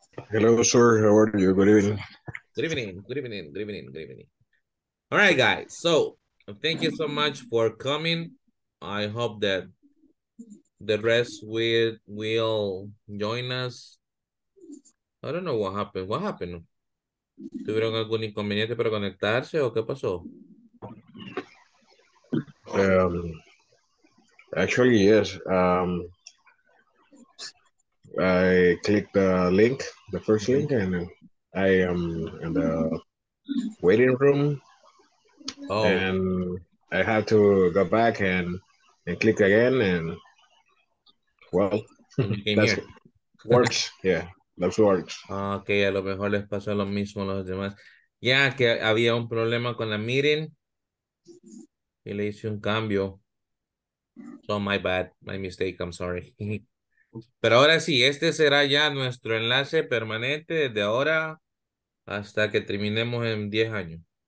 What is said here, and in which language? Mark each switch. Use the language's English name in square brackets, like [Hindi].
[English] Hello, sir. How are you? Good evening. Good evening. All right, guys, so thank you so much for coming. I hope that the rest will join us. I don't know what happened. What happened? [Spanish] ¿Tuvieron algún inconveniente para conectarse o qué pasó? [English] Actually, yes. I clicked the link, the first link, and I am in the waiting room. Oh. And I had to go back and click again, and well, And you came that's here. works, yeah, that works. [Spanish] Okay, a lo mejor les pasó lo mismo a los demás. Ya que había un problema con la meeting y le hice un cambio. [English] So my bad, my mistake, I'm sorry. [Spanish] Pero ahora sí, este será ya nuestro enlace permanente desde ahora hasta que terminemos en 10 años.